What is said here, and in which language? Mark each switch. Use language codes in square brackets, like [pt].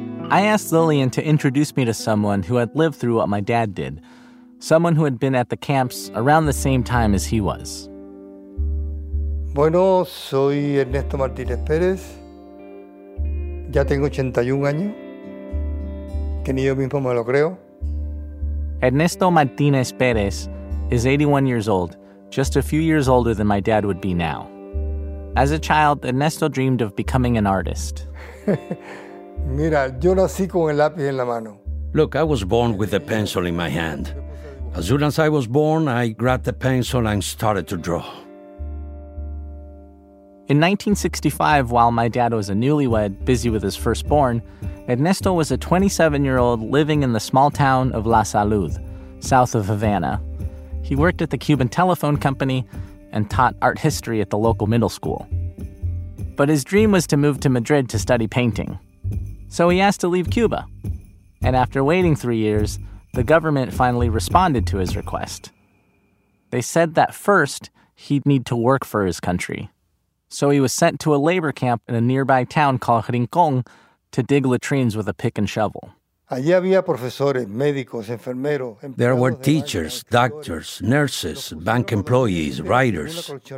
[en] I asked Lillian to introduce me to someone who had lived through what my dad did, someone who had been at the camps around the same time as he was. [es] Bueno, soy Ernesto Martínez Pérez. Ya tengo 81 años. Que ni yo mismo me lo creo. [en] Ernesto Martínez Pérez is 81 years old, just a few years older than my dad would be now. As a child, Ernesto dreamed of becoming an artist. [es] Mira, yo nací con el lápiz en la mano. [en] Look, I was born with a pencil in my hand. As soon as I was born, I grabbed the pencil and started to draw. In 1965, while my dad was a newlywed, busy with his firstborn, Ernesto was a 27-year-old living in the small town of La Salud, south of Havana. He worked at the Cuban telephone company and taught art history at the local middle school. But his dream was to move to Madrid to study painting. So he asked to leave Cuba. And after waiting 3 years, the government finally responded to his request. They said that first, he'd need to work for his country. So he was sent to a labor camp in a nearby town called Rincón to dig latrines with a pick and shovel. [es] Allí había profesores, médicos, enfermeros. [en] There were teachers, doctors, nurses, bank employees, writers.